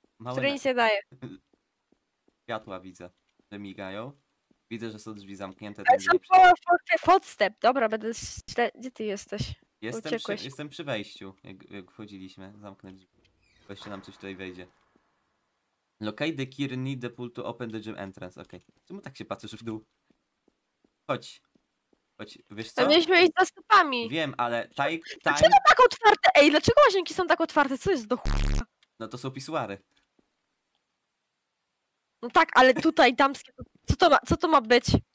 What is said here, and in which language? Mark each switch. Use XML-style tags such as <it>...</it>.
<pl>Który nic nie daje. Światła widzę, że migają. Widzę, że są drzwi zamknięte. Ale są połowy footstep. Dobra, będę śledził. Gdzie ty jesteś? Jestem przy wejściu, jak wchodziliśmy. Zamknę drzwi. Bo jeszcze nam coś tutaj wejdzie.</pl> <en>Locate the key, need the pool to open the gym entrance.</en> <pl>Okej. Okay. Czemu tak się patrzysz w dół? Chodź. Chodź, wiesz co? Mieliśmy iść za stopami. Wiem, ale dlaczego tak otwarte? Ej, dlaczego łazienki są tak otwarte? Co jest do ch***a? No to są pisuary. No tak, ale tutaj damskie... Co to ma być?</pl>